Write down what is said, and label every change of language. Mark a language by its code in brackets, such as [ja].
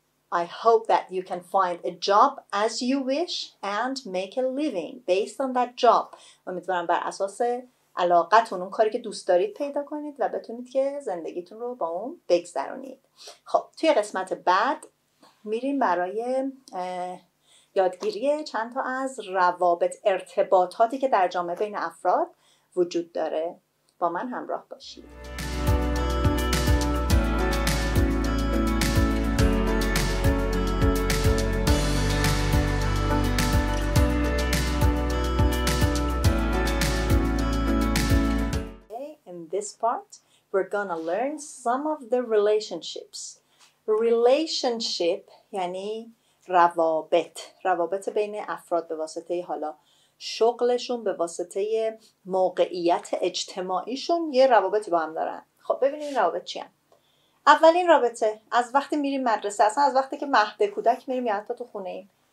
[en] I hope that you can find a job as you wish and make a living based on that job. [fa] امیدوارم بر اساس علاقتون اون کاری که دوست دارید پیدا کنید و بتونید که زندگیتون رو با اون بگذرونید. خب توی قسمت بعد میریم برای یادگیری چند تا از روابط، ارتباطاتی که در جامعه بین افراد وجود داره. با من همراه باشید. [en] This part, we're gonna learn some of the relationships. [fa] Relationship یعنی روابط. روابط بین افراد به واسطه حالا شغلشون، به واسطه موقعیت اجتماعیشون یه روابطی با هم دارن. خب ببینیم روابط چی هم. اولین رابطه از وقتی میریم مدرسه، اصلا از وقتی که مهد کودک میریم یا حتی تو خونه ایم.